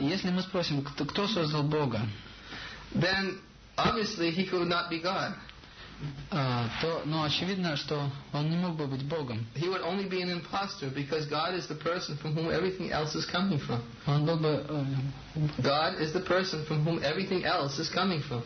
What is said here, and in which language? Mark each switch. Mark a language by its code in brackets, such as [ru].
[ru] если мы спросим, кто создал Бога, [en] then obviously he could not be God. [ru] Но очевидно, что он не мог бы быть Богом. [en] He would only be an impostor because God is the person from whom everything else is coming from. [ru] Он был бы. [en] God is the person from whom everything else is coming from.